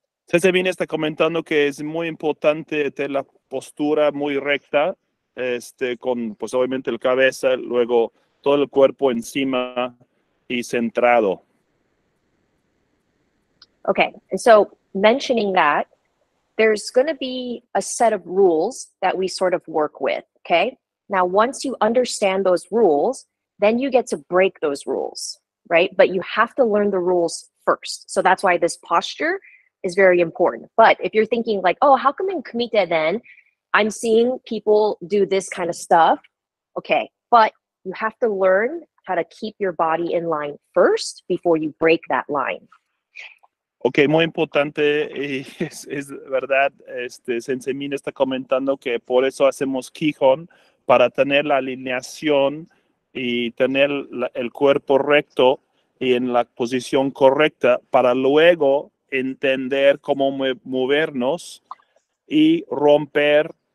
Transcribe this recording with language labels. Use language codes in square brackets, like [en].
[es] Sensei Mina está comentando que es muy importante tener la postura muy recta, con pues obviamente la cabeza, luego todo el cuerpo encima y centrado. [en] Okay, and so mentioning that, there's going to be a set of rules that we sort of work with, okay? Now, once you understand those rules, then you get to break those rules, right? But you have to learn the rules first. So that's why this posture is very important. But if you're thinking like, oh, how come in kumite then I'm seeing people do this kind of stuff? Okay, but you have to learn how to keep your body in line first before you break that line. [es] Okay, muy importante, es verdad, Sensei Mina está comentando que por eso hacemos Kihon, para tener la alineación y tener el cuerpo recto y en la posición correcta para luego entender cómo movernos y romper